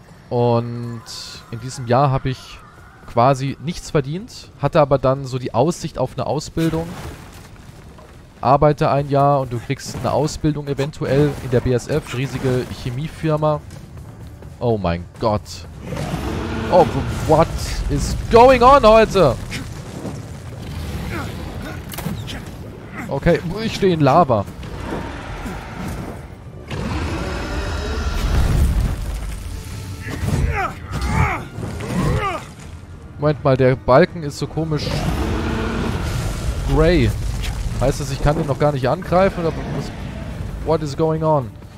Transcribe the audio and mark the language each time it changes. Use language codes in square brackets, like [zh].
[de] Und in diesem Jahr habe ich quasi nichts verdient, hatte aber dann so die Aussicht auf eine Ausbildung. Arbeite ein Jahr und du kriegst eine Ausbildung eventuell in der BSF, riesige Chemiefirma. Oh mein Gott. [en] Oh, what is going on [de] heute? Okay, ich stehe in Lava. Moment mal, der Balken ist so komisch gray. Heißt das, ich kann den noch gar nicht angreifen? Oder was, [en] what is going on?